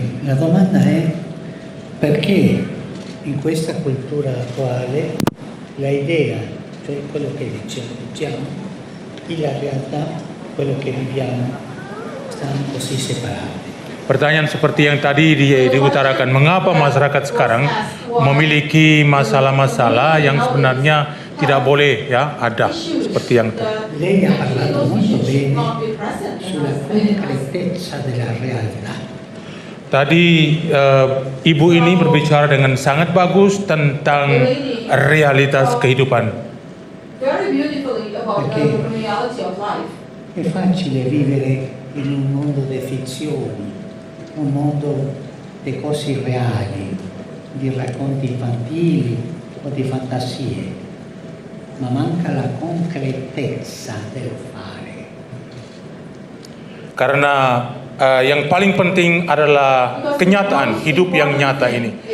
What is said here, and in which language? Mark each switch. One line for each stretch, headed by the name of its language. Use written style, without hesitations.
Italian: La domanda è perché in questa cultura attuale la idea, cioè quello che diciamo, e la realtà, quello che viviamo, stanno così separati.
Indonesian: Pertanyaan seperti yang tadi diutarakan, mengapa masyarakat sekarang memiliki masalah-masalah yang sebenarnya tidak boleh ya ada seperti yang tadi.
Italian: Lei ha parlato molto bene sulla concretezza della realtà.
Indonesian: Tadi ibu ini berbicara dengan sangat bagus tentang realitas kehidupan.
English: Very beautifully about the reality of life.
Italian: È facile vivere in un mondo di finzioni, un mondo di cose irreali, di racconti infantili o di fantasie, ma manca la concretezza del fare.
Indonesian: karena yang paling penting adalah kenyataan hidup yang nyata ini.